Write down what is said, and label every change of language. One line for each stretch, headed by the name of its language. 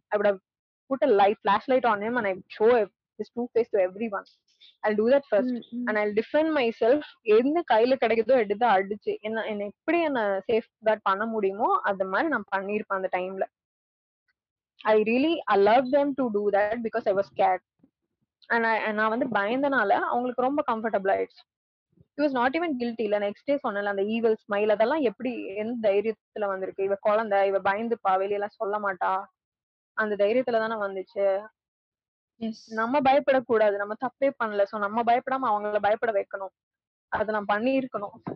English: I would have put a light flashlight on him and I would show his true face to everyone. I'll do that first. Mm-hmm. And I'll defend myself.
Tamil: என்ன கையில கிடைக்குதோ எடுத்து அடிச்சு என்ன என்ன எப்படி என்ன சேஃப் கார்ட் பண்ண முடியுமோ அந்த மாதிரி நான் பண்ணியிருப்பேன் அந்த டைம்ல.
English: I really allowed them to do that because I was scared.
Tamil: And நான் வந்து பயந்தனால அவங்களுக்கு ரொம்ப கம்ஃபர்டபுள் ஆயிடுச்சு.
English: He was not even guilty.
Tamil: இல்லை நெக்ஸ்ட் டே சொன்னல அந்த ஈவல் ஸ்மைல் அதெல்லாம் எப்படி எந்த தைரியத்துல வந்திருக்கு, இவ குழந்தை இவ பயந்துப்பா வெளியெல்லாம் சொல்ல மாட்டா அந்த தைரியத்துல தானே வந்துச்சு. நம்ம பயப்படக்கூடாது, நம்ம தப்பே பண்ணல. சோ நம்ம பயப்படாம அவங்கள பயப்பட வைக்கணும், அதை நான் பண்ணியிருக்கணும்.